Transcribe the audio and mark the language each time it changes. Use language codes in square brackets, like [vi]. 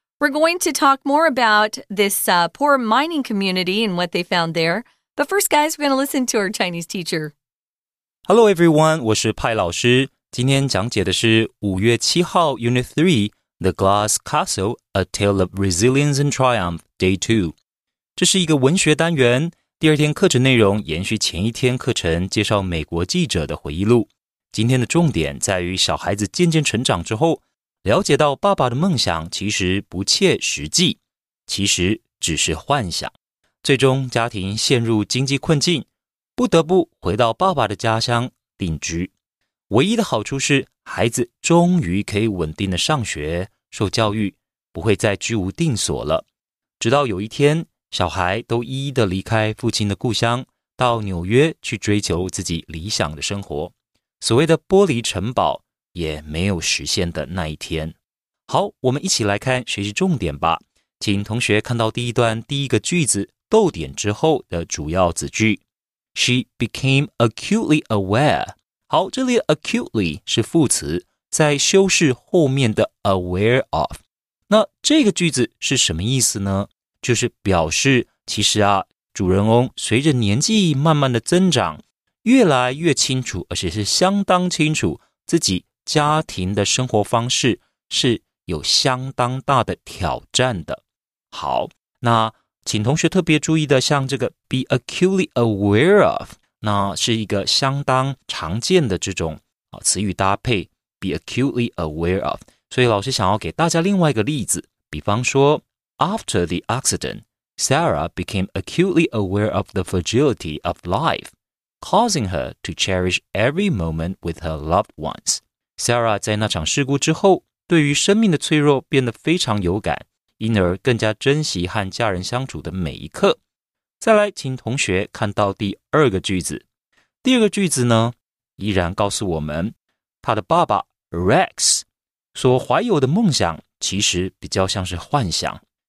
[en] We're going to talk more about this poor mining community and what they found there. But first, guys, we're going to listen to our Chinese teacher. Hello, everyone. [zh] 我是派老师。今天讲解的是5月7号 [en] Unit 3, The Glass Castle, A Tale of Resilience and Triumph, Day 2. [zh] 这是一个文学单元。第二天课程内容延续前一天课程介绍美国记者的回忆录。今天的重点在于小孩子渐渐成长之后，了解到爸爸的梦想其实不切实际，其实只是幻想。最终家庭陷入经济困境，不得不回到爸爸的家乡定居。唯一的好处是孩子终于可以稳定的上学，受教育，不会再居无定所了。直到有一天，小孩都一一的离开父亲的故乡，到纽约去追求自己理想的生活。所谓的玻璃城堡也没有实现的那一天。好，我们一起来看学习重点吧。请同学看到第一段第一个句子逗点之后的主要子句。 [en] She became acutely aware. [zh] 好，这里 acutely 是副词，在修饰后面的 aware of。那这个句子是什么意思呢？就是表示其实啊，主人翁随着年纪慢慢的增长，越来越清楚，而且是相当清楚，自己家庭的生活方式是有相当大的挑战的。好，那请同学特别注意的，像这个 [en] be acutely aware of， [zh] 那是一个相当常见的这种词语搭配 be acutely aware of。所以老师想要给大家另外一个例子，比方说 [en] after the accident， Sarah became acutely aware of the fragility of life。 causing her to cherish every moment with her loved ones. [zh] Sarah 在那场事故之后，对于生命的脆弱变得非常有感，因而更加珍惜和家人相处的每一刻。再来，请同学看到第二个句子。第二个句子呢，依然告诉我们，他的爸爸 Rex 所怀有的梦想其实比较像是幻想。